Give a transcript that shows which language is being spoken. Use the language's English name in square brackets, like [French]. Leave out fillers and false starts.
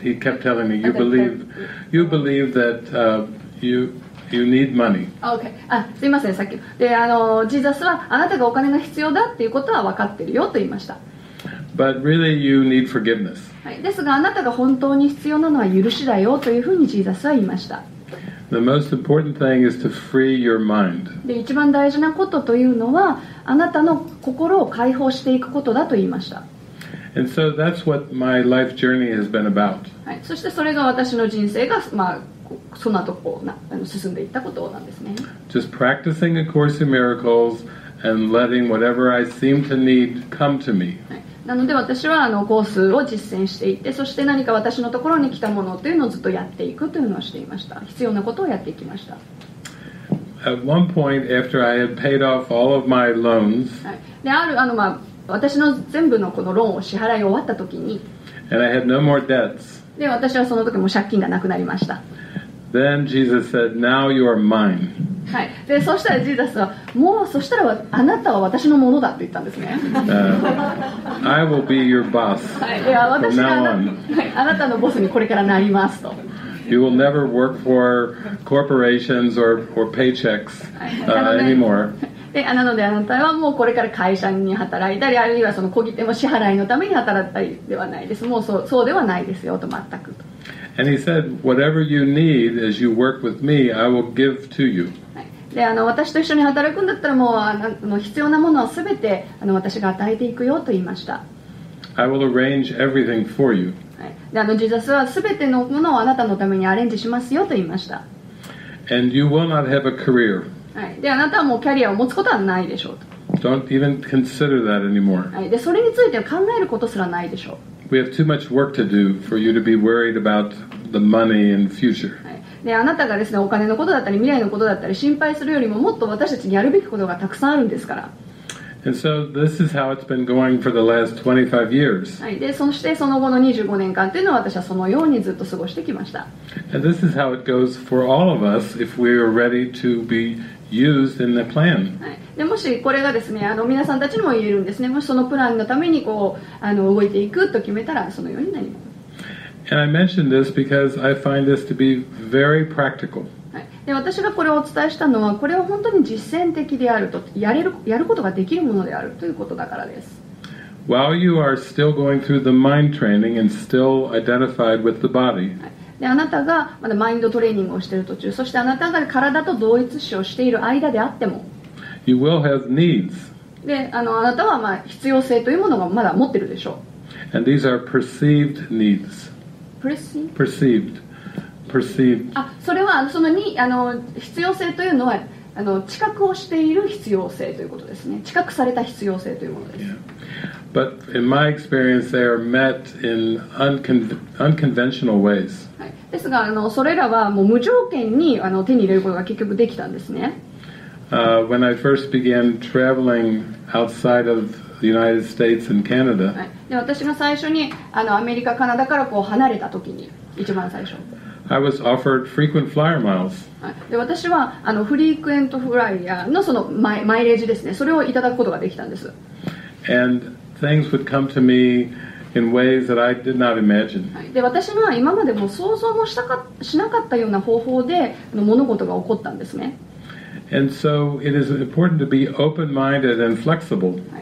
[English] He kept telling me, you believe that you need money. Okay. [Japanese] すいません、さっき。で、ジーザスはあなたがお金が必要だっていうことは分かってるよと言いました。 [English] But really you need forgiveness. [Japanese] はい。ですがあなたが本当に必要なのは許しだよというふうにジーザスは言いました。 [English] The most important thing is to free your mind. [Japanese] で、一番大事なことというのはあなたの心を解放していくことだと言いました。 [English] And so that's what my life journey has been about. [Japanese] はい。そしてそれが私の人生がまあその後こう進んでいったことなんですね。 [English] Just practicing A Course in Miracles and letting whatever I seem to need come to me. [Japanese] なので私はコースを実践していって、そして何か私のところに来たものというのをずっとやっていくというのをしていました。必要なことをやっていきました。 [English] At one point, after I had paid off all of my loans, [Japanese] である私の全部のこのローンを支払い終わった時に、 [English] and I had no more debts. [Japanese] で、私はその時も借金がなくなりました。 [English] Then Jesus said, "Now you are mine." [Japanese] はい。で、そしたらジーザスは、もうそしたらあなたは私のものだって言ったんですね。 [English] I will be your boss. [Japanese] はい。いや、私はあなたのボスにこれからなりますと。 [English] You will never work for corporations or paychecks anymore. [Japanese] で、なのであなたはもうこれから会社に働いたり、あるいはその小切手の支払いのために働いたりではないです。もうそうではないですよと全くと。 [English] And he said, whatever you need as you work with me, I will give to you. [Japanese] で、私と一緒に働くんだったらもう必要なものはすべて私が与えていくよと言いました。 [English] I will arrange everything for you. [Japanese] で、ジーザスはすべてのものをあなたのためにアレンジしますよと言いました。 [English] And you will not have a career. [Japanese] で、あなたはもうキャリアを持つことはないでしょうと。 [English] Don't even consider that anymore. [Japanese] で、それについては考えることすらないでしょう。 [English] We have too much work to do for you to be worried about the money and future. [Japanese] で、あなたがですね、お金のことだったり未来のことだったり心配するよりももっと私たちにやるべきことがたくさんあるんですから。 [English] And so this is how it's been going for the last 25 years. [Japanese] はい、で、そしてその後の25年間というのは私はそのようにずっと過ごしてきました。 [English] And this is how it goes for all of us if we are ready to be used in the plan. [Japanese] はい、で、もしこれがですね、皆さんたちにも言えるんですね。もしそのプランのためにこう、動いていくと決めたらそのようになります。 [English] And I mention this because I find this to be very practical. [Japanese] で、私がこれをお伝えしたのは、これは本当に実践的であると、やることができるものであるということだからです。 [English] While you are still going through the mind training and still identified with the body. [Japanese] で、あなたがまだマインドトレーニングをしている途中、そしてあなたが体と同一視をしている間であっても、 [English] you will have needs. [Japanese] で、あなたはまあ必要性というものがまだ持っているでしょう。 [English] And these are perceived needs. Perceived. [Japanese] あ、それはそのに必要性というのは知覚をしている必要性ということですね。知覚された必要性というものです。 [English] Yeah. But in my experience, they are met in unconventional ways.、 [Japanese] はい、ですが、それらはもう無条件に手に入れることが結局できたんですね。 [English] When I first began traveling outside of the United States and Canada.、 [Japanese] はい、で、私が最初にアメリカ、カナダからこう離れた時に、一番最初。 [English] I was offered frequent flyer miles. [Japanese] で、私はフリークエントフライヤーのそのマイレージですね、それをいただくことができたんです。 [English] And things would come to me in ways that I did not imagine. [Japanese] で、私は今までも想像もしなかったような方法で物事が起こったんですね。 [English] And so it is important to be open-minded and flexible.